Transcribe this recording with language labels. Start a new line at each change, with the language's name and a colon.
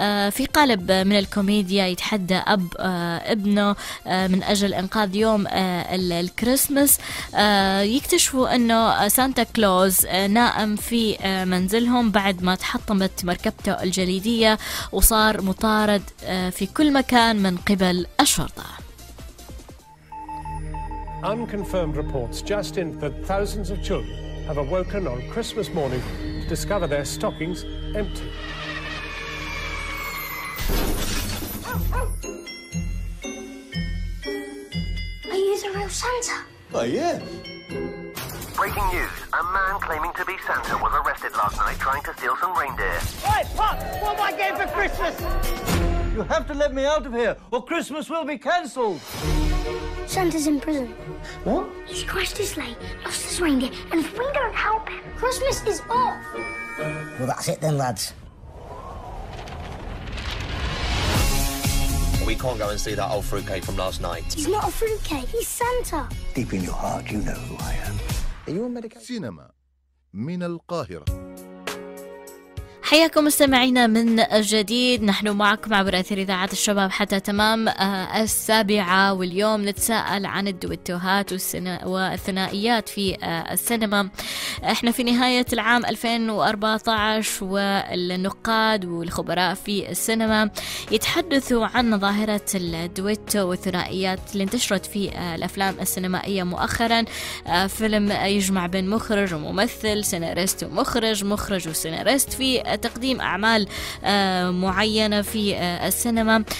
Arabic: في قالب من الكوميدي يتحدى أب ابنه من أجل إنقاذ يوم الكريسماس، يكتشفوا أنه سانتا كلوز نائم في منزلهم بعد ما تحطمت مركبته الجليدية وصار مطارد في كل مكان من قبل الشرطة.
English: Unconfirmed reports just in that thousands of children have awoken on Christmas morning to discover their stockings empty. Are you the real Santa? I am. Breaking news. A man claiming to be Santa was arrested last night trying to steal some reindeer. Oi, Pop! What am I getting for Christmas? You have to let me out of here or Christmas will be cancelled. Santa's in prison. What? He's crashed his sleigh, lost his reindeer, and if we don't help him, Christmas is off. Well, that's it then, lads. We can't go and see that old fruitcake from last night. He's not a fruitcake. He's Santa. Deep in your heart, you know who I am. Are you on medication? Cinema.
Arabic: من القاهرة. حياكم مستمعينا من جديد، نحن معكم عبر أثير إذاعة الشباب حتى تمام السابعة، واليوم نتساءل عن الدويتوهات والثنائيات في السينما. احنا في نهاية العام 2014 والنقاد والخبراء في السينما يتحدثوا عن ظاهرة الدويتو والثنائيات اللي انتشرت في الأفلام السينمائية مؤخرا، فيلم يجمع بين مخرج وممثل، سيناريست ومخرج، مخرج وسيناريست في تقديم أعمال معينة في السينما.